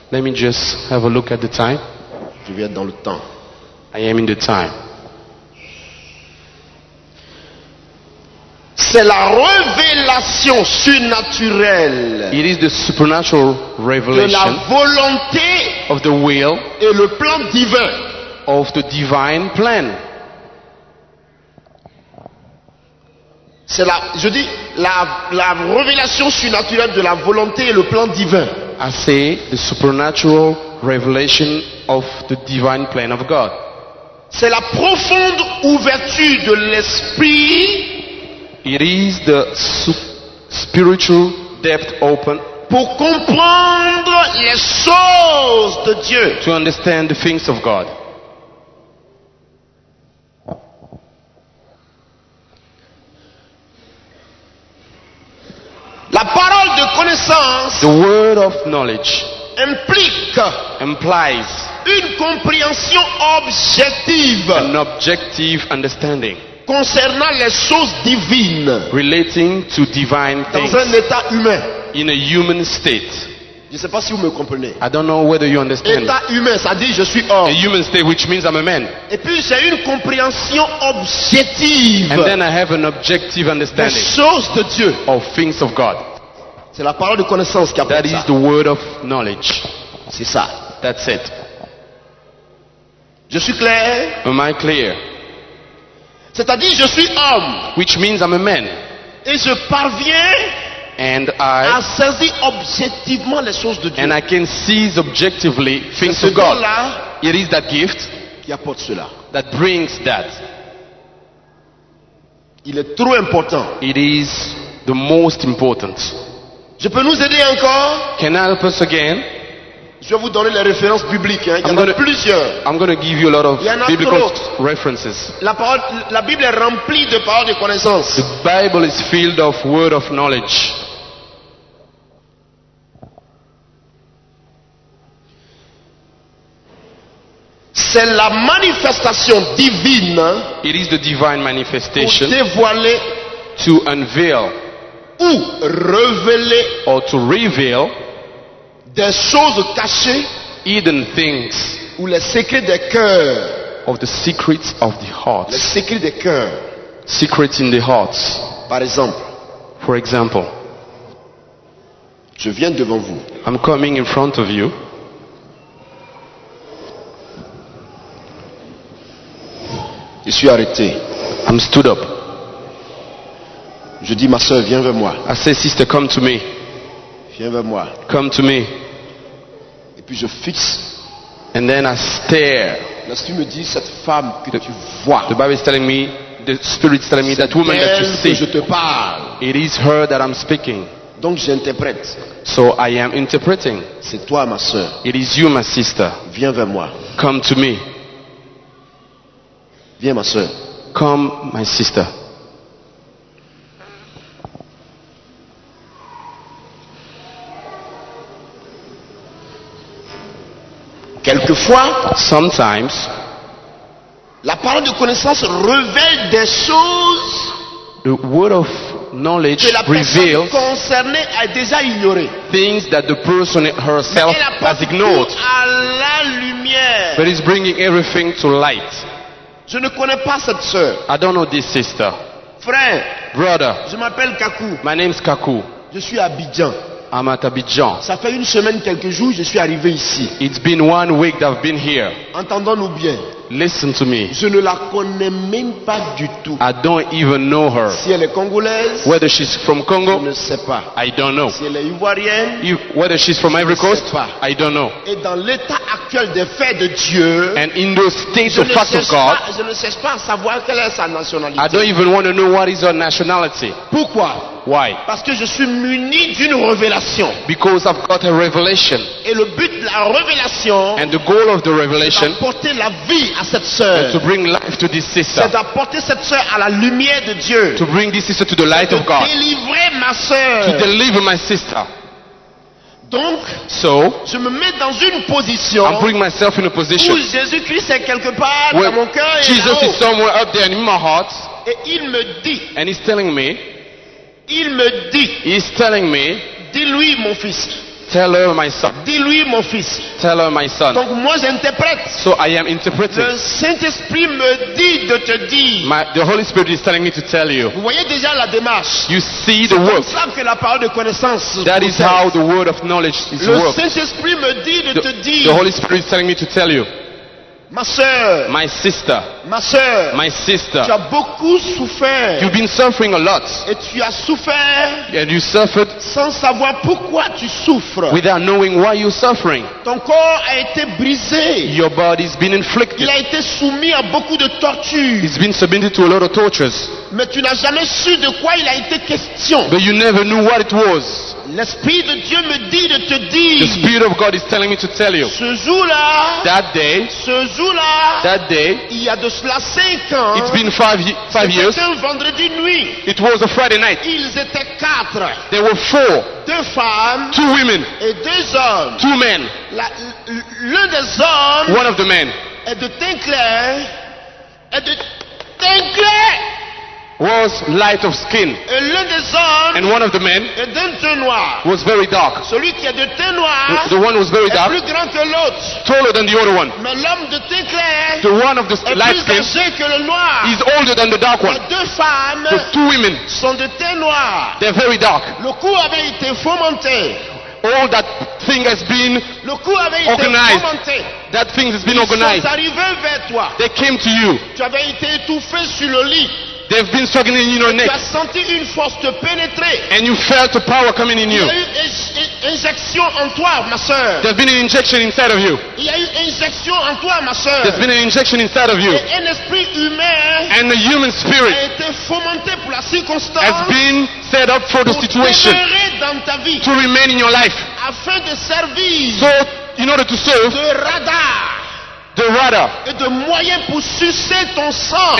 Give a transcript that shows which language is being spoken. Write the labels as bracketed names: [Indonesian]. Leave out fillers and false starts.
[English] Let me just have a look at the time. [French] Je viens dans le temps. [English] I am in the time. [French] C'est la révélation surnaturelle. [English] It is the supernatural revelation. [French] De la volonté [English] of the will [French] et le plan divin. [English] Of the divine plan. [French] C'est la, je dis, la révélation surnaturelle de la volonté et le plan divin. [English] I say the supernatural revelation of the divine plan of God. [French] C'est la profonde ouverture de l'esprit. [English] It is the spiritual depth open. [French] Pour comprendre les choses de Dieu. [English] To understand the things of God. [French] La parole de connaissance, [English] the word of knowledge, [French] implique, [English] implies, [French] une compréhension objective, [English] an objective understanding, [French] concernant les choses divines, [English] relating to divine things, [French] dans un état humain, [English] in a human state. [French] Je ne sais pas si vous me comprenez. [English] I don't know whether you understand. [French] État humain, ça dit je suis homme. [English] A human state, which means I'm a man. [French] Et puis j'ai une compréhension objective. [English] And then I have an objective understanding. [French] Des choses de Dieu. [English] Of things of God. [French] C'est la parole de connaissance qui appelle [English] that [French] ça. [English] That is the word of knowledge. [French] C'est ça. [English] That's it. [French] Je suis clair. [English] Am I clear? [French] C'est-à-dire je suis homme. [English] Which means I'm a man. [French] Et je parviens. [English] And I, [French] à saisir objectivement les choses de Dieu. [English] And I can seize objectively things of God. It is that gift [French] qui apporte cela. [English] That brings that. [French] Il est trop important. [English] It is the most important. [French] Je peux nous aider encore? [English] Can I help us again? [French] Je vais vous donner les références bibliques. Hein. Il y en a plusieurs. [English] I'm going to give you a lot of biblical references. [French] La Bible est remplie de paroles de connaissance. [English] The Bible is filled of word of knowledge. [French] C'est la manifestation divine. [English] It is the divine manifestation. [French] Pour dévoiler. [English] To unveil. [French] Ou révéler. [English] Or to reveal. [French] Des choses cachées, [English] hidden things, [French] ou les secrets des cœurs, [English] of the secrets of the heart, [French] les secrets des cœurs, [English] secrets in the hearts. [French] Par exemple, [English] for example, [French] je viens devant vous. [English] I'm coming in front of you. [French] Je suis arrêté. [English] I'm stood up. [French] Je dis, ma sœur, viens vers moi. [English] I say, sister, come to me. [French] Viens vers moi. [English] Come to me. [French] Puis je fixe. [English] And then I stare. [French] La Bible me dit cette femme que tu vois. [English] The Bible is telling me, the Spirit is telling me that woman that you see. [French] C'est elle que je te parle. [English] It is her that I'm speaking. [French] Donc j'interprète. [English] So I am interpreting. [French] C'est toi ma sœur. [English] It is you my sister. [French] Viens vers moi. [English] Come to me. [French] Viens ma sœur. [English] Come my sister. [French] Quelquefois, [English] sometimes, [French] la parole de connaissance révèle des choses, [English] the word of knowledge [French] que la [English] reveals [French] personne concernée a déjà ignoré, [English] things that the person herself has ignored, [French] à la lumière. [English] But it's bringing everything to light. [French] Je ne connais pas cette sœur. [English] I don't know this sister. [French] Frère, [English] brother, [French] je m'appelle Kaku. [English] My name is Kaku. [French] Je suis à Abidjan. [English] I'm at Abidjan. [French] Ça fait une semaine, quelques jours, je suis arrivé ici. [English] It's been 1 week that I've been here. [French] Entendons-nous bien. [English] Listen to me. [French] Je ne la connais même pas du tout. [English] I don't even know her. [French] Si elle est congolaise, [English] whether she's from Congo, [French] je ne sais pas. [English] I don't know. [French] Si elle est ivoirienne, [English] whether she's from Ivory Coast, [French] pas. [English] I don't know. [French] Et dans l'état actuel des faits de Dieu, [English] and in the state of facts of God, [French] je ne cherche pas à savoir quelle est sa nationalité. [English] I don't even want to know what is her nationality. [French] Pourquoi? [English] Why? [French] Parce que je suis muni d'une révélation. [English] Because I've got a revelation. [French] Et le but de la révélation, [English] and the goal of the revelation, [French] c'est d'apporter la vie à cette sœur. [English] To bring life to this sister. [French] C'est d'apporter cette sœur à la lumière de Dieu. [English] To bring this sister to the light of God. [French] De délivrer ma sœur. [English] To deliver my sister. [French] Donc, [English] so, [French] je me mets dans une position, [English] I'm putting myself in a position [French] où Jésus-Christ est quelque part dans mon cœur. [English] Jesus [French] là-haut. [English] Is somewhere up there in my heart. [French] Et il me dit, [English] and he's telling me. [French] Il me dit, [English] he's telling me, [French] dis-lui mon fils. [English] Tell her my son. [French] Dis-lui mon fils. [English] Tell her my son. [French] Donc moi j'interprète. [English] So I am interpreting. [French] Le Saint-Esprit me dit de te dire. [English] The Holy Spirit is telling me to tell you. [French] Vous voyez déjà la démarche. [English] You see the work. [French] C'est comme ça que la parole de connaissance. [English] That is how the word of knowledge is work. [French] Le Saint-Esprit me dit de te dire. [English] The Holy Spirit is telling me to tell you. [French] Ma sœur, [English] my sister, [French] ma sœur, [English] my sister, [French] tu as beaucoup souffert. [English] You've been suffering a lot. [French] Et tu as souffert. [English] And you suffered. [French] Sans savoir pourquoi tu souffres. [English] Without knowing why you're suffering. [French] Ton corps a été brisé. [English] Your body's been inflicted. [French] Il a été soumis à beaucoup de tortures. [English] It's been submitted to a lot of tortures. [French] Mais tu n'as jamais su de quoi il a été question. [English] But you never knew what it was. [French] L'Esprit de Dieu me dit de te dire. [English] The Spirit of God is telling me to tell you. [French] Ce jour-là. [English] That day. [French] Ce jour-là. [English] That day. [French] Il y a de cela 5 ans. [English] It's been five years. [French] C'était un vendredi nuit. [English] It was a Friday night. [French] Ils étaient 4. [English] There were 4. [French] 2 femmes. [English] 2 women. [French] Et 2 hommes. [English] 2 men. [French] L'un des hommes. [English] One of the men. [French] Est de teint clair. Est de teint clair. [English] Was light of skin. [French] Et l'un des hommes, [English] and one of the men, [French] est d'un teint noir, [English] was very dark. [French] Celui qui a de teint noir, [English] the one was very dark, [French] est plus grand que l'autre, [English] taller than the other one. [French] Mais l'homme de teint clair, [English] the one of the light skin, [French] est plus âgé que le noir, [English] is older than the dark one. [French] Les deux femmes, [English] the two women, [French] sont de teint noir, [English] they're very dark. [French] Le coup avait été fomenté. [English] All that thing has been organized. That thing has been organized. [French] Ils sont arrivés vers toi. [English] They came to you. [French] Tu avais été étouffé sur le lit. [English] They've been struggling in your neck. [French] Tu as senti une force te pénétrer. [English] And you felt a power coming in you. [French] Il y a eu injection en toi, ma sœur. [English] There's been an injection inside of you. [French] Il y a eu injection en toi, ma sœur. [English] There's been an injection inside of you. [French] Et un esprit humain. [English] And the human spirit. [French] A été fomenté pour la circonstance. [English] Has been set up for the situation. [French] Pour demeurer dans ta vie. [English] To remain in your life. [French] Afin de servir. [English] So, in order to serve. [French] De radar. [English] The radar. [French] Et de moyen pour sucer ton sang.